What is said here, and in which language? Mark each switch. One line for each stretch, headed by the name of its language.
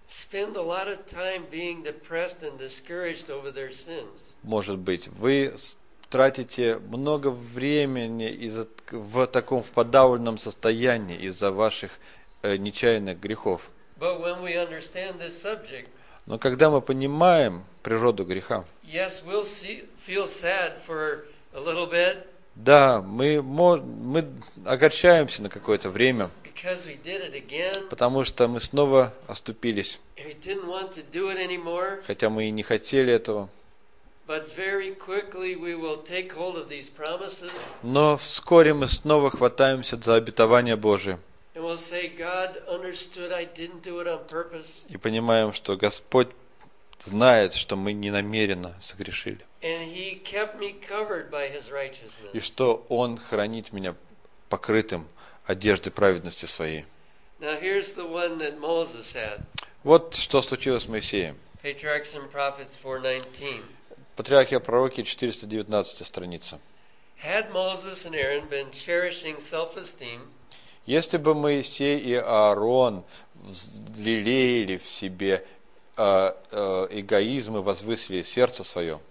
English: spend a lot of time being depressed and discouraged over their sins.
Russian: Может быть, вы тратите много времени в таком подавленном состоянии из-за ваших нечаянных грехов.
English: But when we understand this subject,
Russian: но когда мы понимаем природу греха,
English: yes, we'll see, feel sad for a little bit.
Russian: Да, мы огорчаемся на какое-то время,
English: because we did it again,
Russian: потому что мы снова оступились,
English: we didn't want to do it anymore,
Russian: хотя мы и не хотели этого.
English: But very quickly we will take hold of these promises.
Russian: Но вскоре мы снова хватаемся за обетование Божие.
English: And we'll say, God understood, I didn't do it on purpose.
Russian: И понимаем, что Господь знает, что мы не намеренно согрешили.
English: And he kept me covered by his righteousness.
Russian: И что Он хранит меня покрытым одеждой праведности своей.
English: Now here's the one that Moses had.
Russian: Вот что случилось с Моисеем.
English: Patriarchs and Prophets 4:19.
Russian: Патриархия Пророки, 419 страница.
English: Had Moses and Aaron been cherishing self-esteem,
Russian: если бы Моисей и Аарон лелеяли в себе эгоизм и возвысили сердце свое,